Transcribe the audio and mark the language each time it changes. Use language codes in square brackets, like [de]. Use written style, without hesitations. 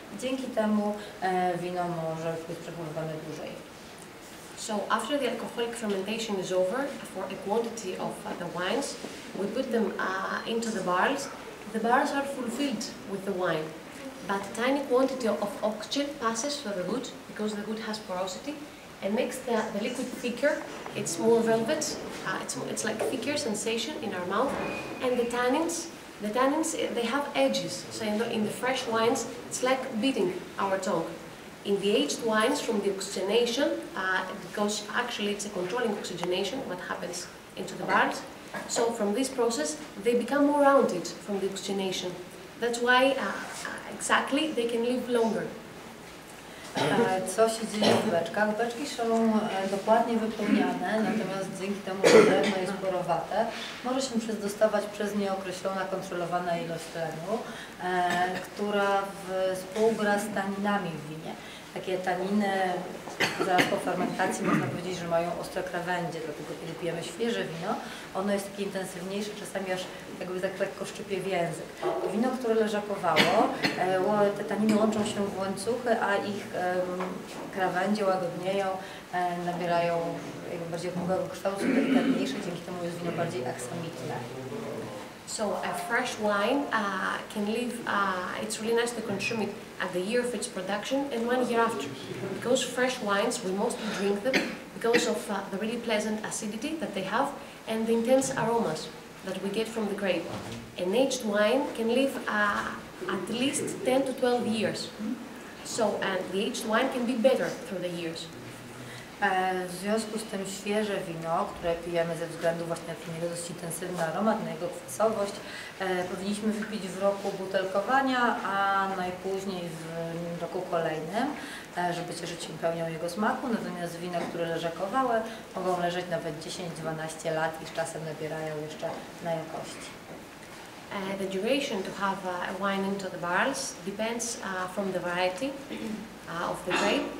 [pl] Dzięki temu wino może być przechowywane dłużej. [en] So after the alcoholic fermentation is over for a quantity of the wines, we put them into the barrels. The barrels are fulfilled with the wine, but a tiny quantity of oxygen passes through the wood because the wood has porosity and makes the liquid thicker. It's more velvet. It's like a thicker sensation in our mouth, and the tannins. The tannins, they have edges, so in the fresh wines, it's like beating our tongue. In the aged wines, from the oxygenation, because actually it's a controlling oxygenation, what happens into the barrels, so from this process, they become more rounded from the oxygenation. That's why, exactly, they can live longer. [pl] Co się dzieje w beczkach? Beczki są dokładnie wypełniane, natomiast dzięki temu, że tlen jest porowate, może się dostawać przez nieokreślona, kontrolowana ilość tlenu, która współgra z taninami w winie. Takie taniny zaraz po fermentacji można powiedzieć, że mają ostre krawędzie, dlatego kiedy pijemy świeże wino, ono jest takie intensywniejsze, czasami aż jakby tak lekko szczypie w język. Wino, które leżakowało, te taniny łączą się w łańcuchy, a ich krawędzie łagodnieją, nabierają jakby bardziej okrągłego kształtu, są delikatniejsze, dzięki temu jest wino bardziej aksamitne. [en] So a fresh wine can live, it's really nice to consume it at the year of its production and 1 year after. Because fresh wines, we mostly drink them because of the really pleasant acidity that they have and the intense aromas that we get from the grape. An aged wine can live at least 10 to 12 years. So the aged wine can be better through the years. [pl] W związku z tym świeże wino, które pijemy ze względu właśnie na ten jego dość intensywny aromat, na jego kwasowość, powinniśmy wypić w roku butelkowania, a najpóźniej w roku kolejnym, żeby cieszyć się pełnią jego smaku. Natomiast wina, które leżakowały, mogą leżeć nawet 10-12 lat i z czasem nabierają jeszcze na jakości. [en] The duration to have a wine into the barrels depends from the variety of the grape.